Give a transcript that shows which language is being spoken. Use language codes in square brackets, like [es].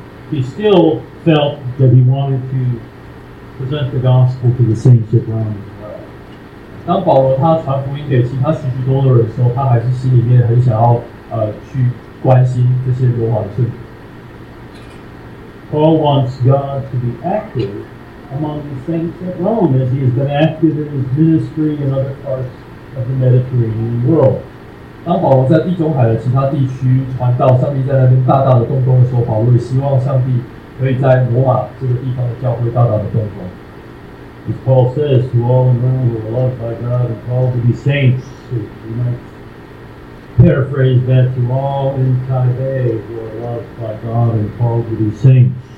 [en] He still felt that he wanted to present the gospel to the saints around him. [zh] 当保罗他传福音给其他信徒多的人的时候，他还是心里面很想要去关心这些罗马的圣徒。Paul [en] wants God to be active among the saints at Rome, as he has been active in his ministry in other parts of the Mediterranean world. [zh] 当保罗在地中海的其他地区传道，上帝在那边大大的动工的时候，保罗也希望上帝可以在罗马这个地方的教会大大的动工。 [en] As Paul says, to all in Rome who are loved by God and called to be saints, you might paraphrase that, to all in Taipei who are loved by God and called to be saints.